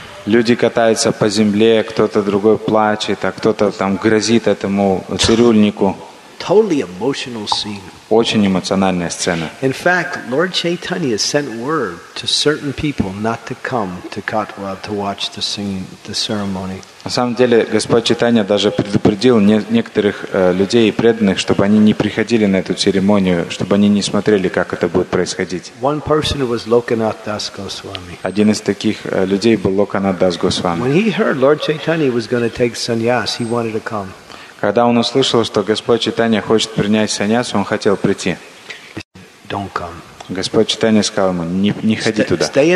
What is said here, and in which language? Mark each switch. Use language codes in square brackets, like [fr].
[ru] Люди катаются по земле, кто-то другой плачет, а кто-то там грозит этому цирюльнику. [en] Totally emotional scene. [ru] Очень эмоциональная сцена. [en] In fact, Lord Chaitanya sent word to certain people not to come to Katwa to watch the singing, the ceremony. [ru] На самом деле, Господь Чайтанья даже предупредил некоторых людей и преданных, чтобы они не приходили на эту церемонию, чтобы они не смотрели, как это будет происходить. [en] One person was Lokanath Das Goswami. [ru] Один из таких людей был Локанат Дас Госвами. [en] When he heard Lord Chaitanya was going to take sannyas, he wanted to come. [ru] Когда он услышал, что Господь Чайтанья хочет принять саньясу, он хотел прийти. Господь Чайтанья сказал ему, не ходи туда.